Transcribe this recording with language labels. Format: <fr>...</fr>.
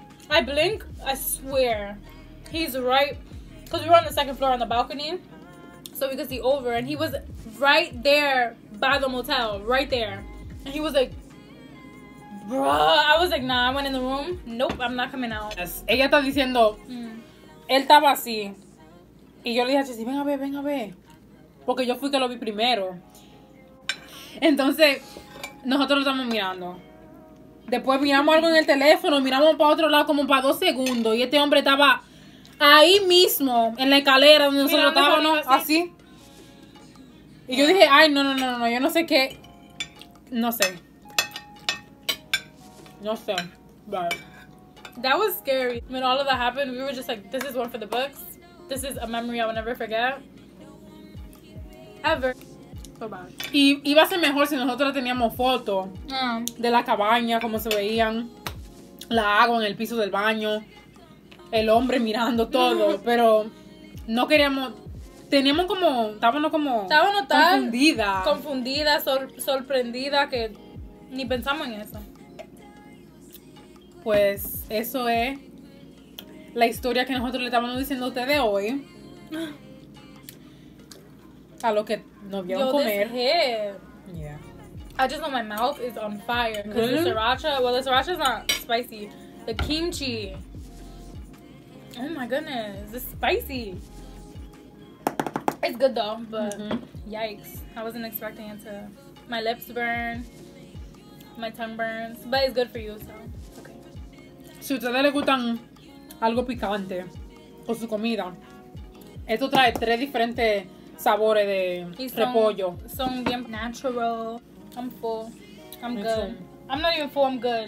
<en>I blink, I swear, he's right, because we were on the second floor on the balcony, so we could see over, and he was right there by the motel, right there, and he was like, bruh, I was like, nah, I went in the room, nope, I'm not coming out. Yes.</en> <es>Ella está diciendo, él estaba así, y yo le dije a Chessy, ven a ver, porque yo fui que lo vi primero, entonces, nosotros lo estamos mirando. Después miramos algo en el teléfono, miramos para otro lado como para 2 segundos. Y este hombre estaba ahí mismo, en la escalera donde nosotros estábamos, ¿no? Así. Y yo dije, ay, no, yo no sé qué. No sé.</es> <en>Bye. That was scary. When all of that happened, we were just like, this is one for the books. This is a memory I will never forget. Ever. So bad.</en> <es>Y iba a ser mejor si nosotros teníamos fotos de la cabaña, cómo se veían, la agua en el piso del baño, el hombre mirando todo, pero no queríamos. Teníamos como, estábamos tan confundidas, sorprendidas, que ni pensamos en eso. Pues eso es la historia que nosotros le estábamos diciendo a ustedes hoy. A lo que nos vieron yo, comer.</es> <en>Yeah. I just know my mouth is on fire. Because the sriracha, well, the sriracha is not spicy. The kimchi. Oh my goodness, it's spicy. It's good though, but yikes. I wasn't expecting it to. My lips burn. My tongue burns. But it's good for you, so. Okay.</en> <es>Si ustedes les gustan algo picante con su comida, esto trae tres diferentes sabores de repollo. Son bien natural.</es> <en>I'm full. I'm good. I'm not even full, I'm good.</en>